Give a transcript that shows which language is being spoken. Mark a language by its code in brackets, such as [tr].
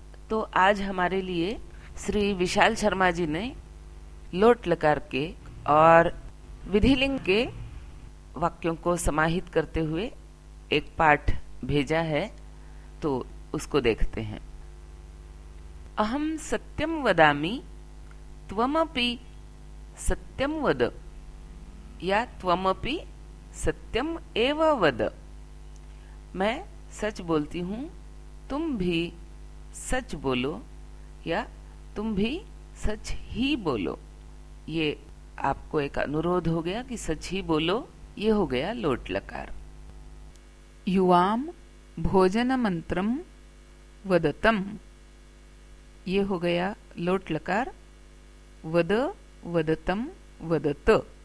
[hi] तो आज हमारे लिए श्री विशाल शर्मा जी ने लोट लकार के और विधिलिंग के वाक्यों को समाहित करते हुए एक पाठ भेजा है, तो उसको देखते हैं। [sa] अहम् सत्यम् वदामि, त्वमपि सत्यम् वद, या त्वमपि सत्यम् एव वद। [hi] मैं सच बोलती हूँ, तुम भी सच बोलो, या तुम भी सच ही बोलो। ये आपको एक अनुरोध हो गया कि सच ही बोलो, ये हो गया लोट लकार। [sa] युवाम भोजन मंत्रम वदतम, [hi] ये हो गया लोट लकार, [sa] वद वदतम वदत।